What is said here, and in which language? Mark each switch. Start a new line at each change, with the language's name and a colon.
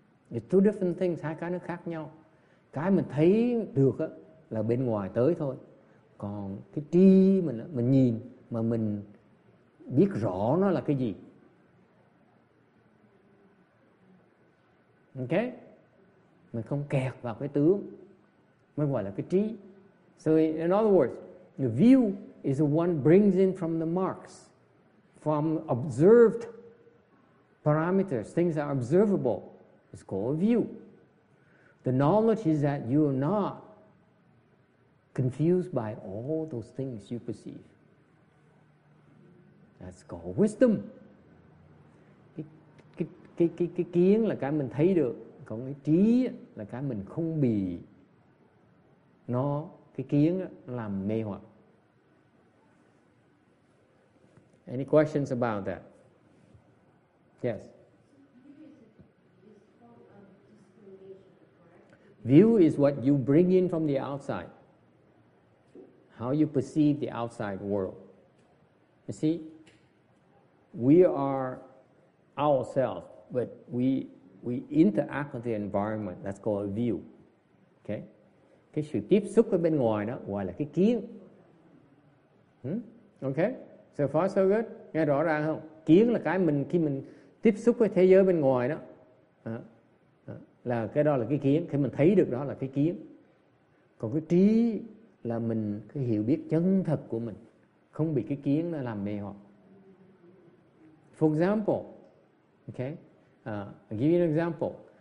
English: It's two different things,
Vietnamese: hai cái nó khác nhau. Cái mình thấy được á là bên ngoài tới thôi. Còn cái trí mình nhìn mà mình biết rõ nó là cái gì. Ok, mình không kẹt vào cái tướng, mới gọi là cái trí.
English: So in other words, the view is the one brings in from the marks, from observed parameters, things that are observable. It's called a view. The knowledge is that you are not confused by all those things you perceive. That's called wisdom.
Vietnamese: Cái kiến là cái mình thấy được, còn cái trí là cái mình không bị nó, cái kiến làm mê hoặc.
English: Any questions about that? Yes. View is what you bring in from the outside. How you perceive the outside world. You see, we are ourselves, but we interact with the environment. That's called a view. Okay?
Vietnamese: Cái sự tiếp xúc ở bên ngoài đó gọi là cái kiến. Okay?
English: So far so good.
Vietnamese: Nghe rõ ràng không? Kiến là cái mình, khi mình tiếp xúc với thế giới bên ngoài đó, là cái đó là cái kiến. Khi mình thấy được đó là cái kiến. Còn cái trí là mình cái hiểu biết chân thật của mình, không bị cái kiến nó làm mê hoặc.
English: For example, okay, I'll give you an example.